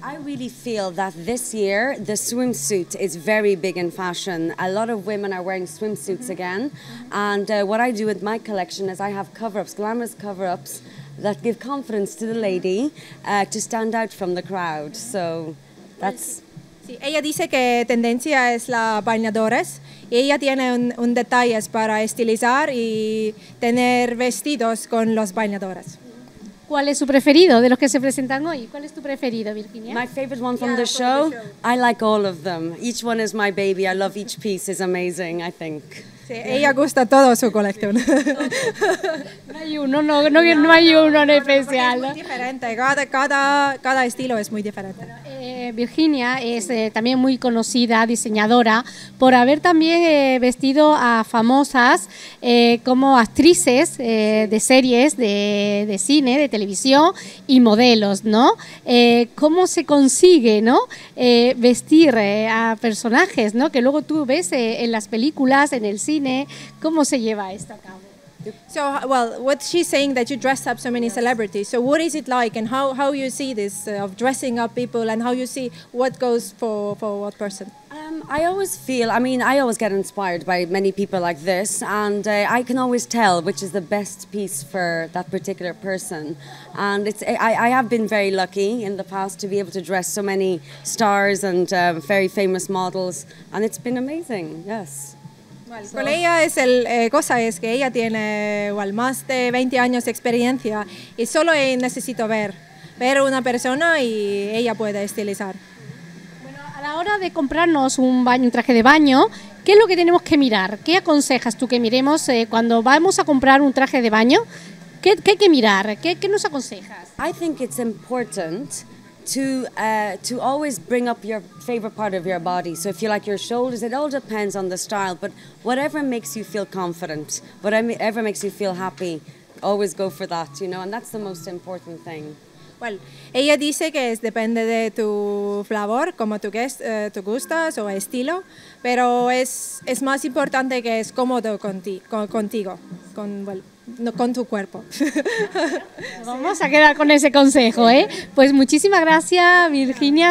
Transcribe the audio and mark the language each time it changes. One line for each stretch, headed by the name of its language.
English: I really feel that this year the swimsuit is very big in fashion. A lot of women are wearing swimsuits again. And what I do with my collection is I have cover-ups, glamorous cover-ups that give confidence to the lady to stand out from the crowd. So that's.
Spanish: Sí, ella dice que tendencia es la bañadores. Ella tiene un detalle para estilizar y tener vestidos con los bañadores. ¿Cuál es su preferido de los que se presentan hoy? ¿Cuál es tu preferido, Virginia?
English: My favorite one from the show. I like all of them. Each one is my baby. I love each piece. It's amazing, I think.
Spanish: Sí, ella gusta todo su colección. No hay uno, no hay uno en especial. Es muy diferente. Cada estilo es muy diferente. Virginia es también muy conocida diseñadora por haber también vestido a famosas como actrices de series, de cine, de televisión y modelos, ¿no? ¿Cómo se consigue, ¿no? Vestir a personajes, ¿no? Que luego tú ves en las películas, en el cine, ¿cómo se lleva esto a cabo?
English: So, well, what she's saying that you dress up so many celebrities. So, what is it like, and how you see this of dressing up people, and how you see what goes for what person? I always feel. I mean, I always get inspired by many people like this, and I can always tell which is the best piece for that particular person. And it's. I have been very lucky in the past to be able to dress so many stars and very famous models, and it's been amazing. Yes. So.
Spanish: Con ella es el cosa es que ella tiene igual más de 20 años de experiencia y solo necesito ver una persona y ella puede estilizar. Bueno, a la hora de comprarnos un traje de baño, ¿qué es lo que tenemos que mirar? ¿Qué aconsejas tú que miremos cuando vamos a comprar un traje de baño? ¿Qué hay que mirar? ¿Qué nos aconsejas?
English: I think it's important to always bring up your favorite part of your body. So if you like your shoulders, it all depends on the style, but whatever makes you feel confident, whatever makes you feel happy, always go for that, you know, and that's the most important thing.
Spanish: Well, ella dice que es depende de tu flavor, como tu tu gustas o estilo, pero es más importante que es cómodo contigo, con tu cuerpo. Vamos a quedar con ese consejo, ¿eh? Pues muchísimas gracias, Virginia.